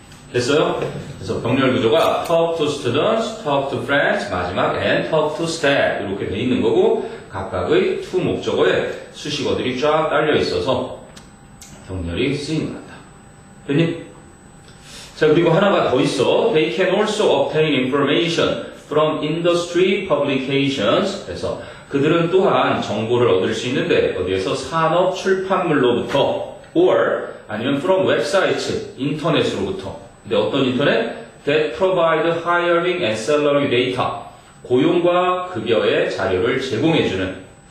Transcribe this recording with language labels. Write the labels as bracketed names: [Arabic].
[Korean] 됐어요? 그래서 병렬 구조가 [English] talk to students, talk to friends, [Korean] 마지막 [English] and talk to staff [Korean] 이렇게 돼 있는 거고, 각각의 to 목적어에 수식어들이 쫙 딸려 있어서 병렬이 쓰인 것 같다. 됐니? 자, 그리고 하나가 더 있어. [English] They can also obtain information from industry publications. [Korean] 그래서 그들은 또한 정보를 얻을 수 있는데 어디에서? 산업 출판물로부터 or 아니면 [English] from websites, [Korean] 인터넷으로부터. 근데 어떤 인터넷? [English] That provide hiring and salary data. [Korean] 고용과 급여의 자료를 제공해주는.